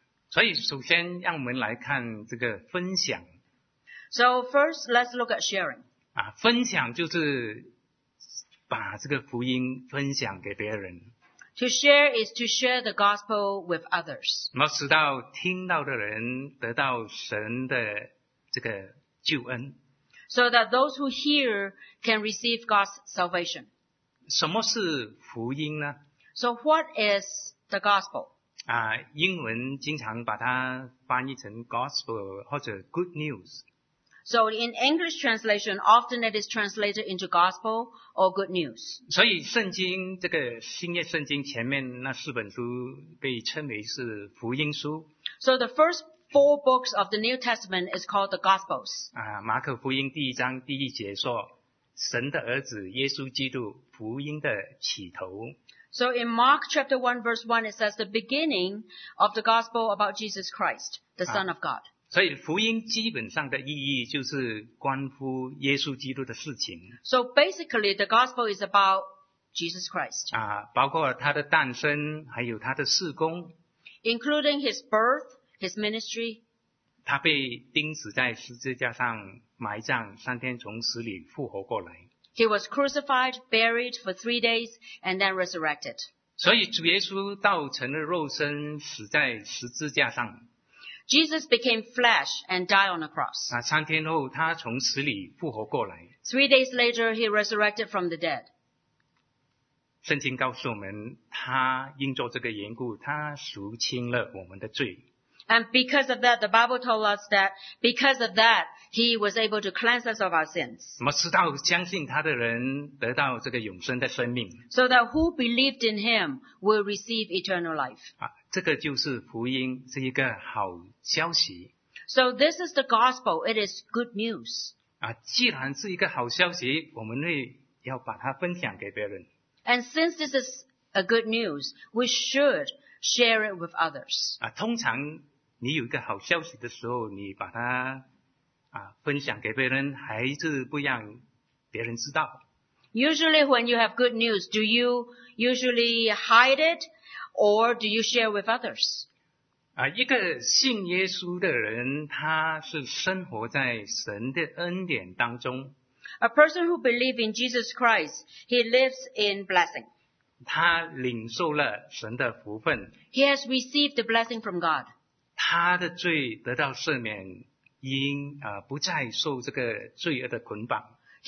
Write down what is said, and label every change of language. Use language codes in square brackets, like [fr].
[zh] 所以首先让我们来看这个分享。 [en] So first, let's look at sharing. [zh] 啊，分享就是把这个福音分享给别人。 [en] To share is to share the gospel with others. [zh] 那直到听到的人得到神的这个救恩。 [en] So that those who hear can receive God's salvation. [zh] 什么是福音呢？ [en] So what is the gospel? [zh] 啊，英文经常把它翻译成 gospel 或者 good news. [en] So in English translation, often it is translated into gospel or good news. [zh] 所以圣经这个新约圣经前面那四本书被称为是福音书。 [en] So the first four books of the New Testament is called the Gospels. [zh] 啊，马可福音第一章第一节说，神的儿子耶稣基督，福音的起头。 [en] So in Mark chapter 1 verse 1, it says the beginning of the gospel about Jesus Christ, the Son of God. [zh] 所以福音基本上的意义就是关乎耶稣基督的事情。 [en] So basically, the gospel is about Jesus Christ. [zh] 啊，包括他的诞生，还有他的事工。 [en] Including his birth, his ministry. [zh] 他被钉死在十字架上，埋葬，三天从死里复活过来。 [en] He was crucified, buried for 3 days, and then resurrected. [zh] 所以主耶稣道成了肉身，死在十字架上。 [en] Jesus became flesh and died on a cross. [zh] 三天后他从死里复活过来。 [en] 3 days later, he resurrected from the dead. [zh] 圣经告诉我们，他因着这个缘故，他赎清了我们的罪。 [en] And because of that, the Bible told us that because of that, he was able to cleanse us of our sins. [zh] 那么直到相信他的人得到这个永生的生命。 [en] So that who believed in him will receive eternal life. [zh] 这个就是福音，是一个好消息。 [en] So this is the gospel. It is good news. [zh] 啊，既然是一个好消息，我们会要把它分享给别人。 [en] And since this is a good news, we should share it with others. [zh] 啊，通常你有一个好消息的时候，你把它分享给别人，还是不让别人知道 [en] ？Usually, when you have good news, do you usually hide it? Or do you share with others? [zh] 啊，一个信耶稣的人，他是生活在神的恩典当中。 [en] A person who believes in Jesus Christ, he lives in blessing. [zh] 他领受了神的福分。 [en] He has received the blessing from God. [zh] 他的罪得到赦免，因不再受这个罪恶的捆绑。